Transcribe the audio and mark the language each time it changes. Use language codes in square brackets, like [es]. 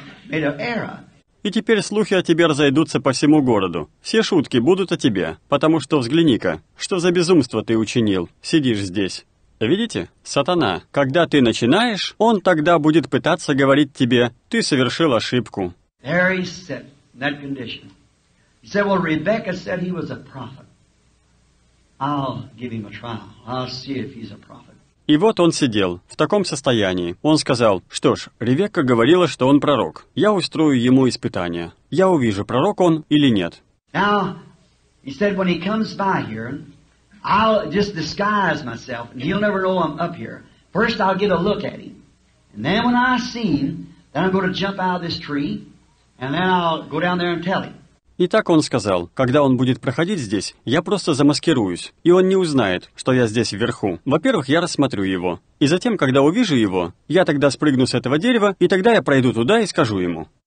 [ru] И теперь слухи о тебе разойдутся по всему городу. Все шутки будут о тебе, потому что взгляни-ка, что за безумство ты учинил, сидишь здесь. Видите? Сатана, когда ты начинаешь, он тогда будет пытаться говорить тебе, ты совершил ошибку. [en] There he sat, in that condition. He said, well, Rebecca said he was a prophet. I'll give him a trial. I'll see if he's a prophet. [ru] И вот он сидел, в таком состоянии. Он сказал, что ж, Ревекка говорила, что он пророк. Я устрою ему испытание. Я увижу, пророк он или нет. [en] Now, he said, when he comes by here, I'll just disguise myself, and he'll never know I'm up here. First, I'll get a look at him. And then when I see him, then I'm going to jump out of this tree, and then I'll go down there and tell him. [ru] И так он сказал, когда он будет проходить здесь, я просто замаскируюсь, и он не узнает, что я здесь вверху. Во-первых, я рассмотрю его, и затем, когда увижу его, я тогда спрыгну с этого дерева, и тогда я пройду туда и скажу ему.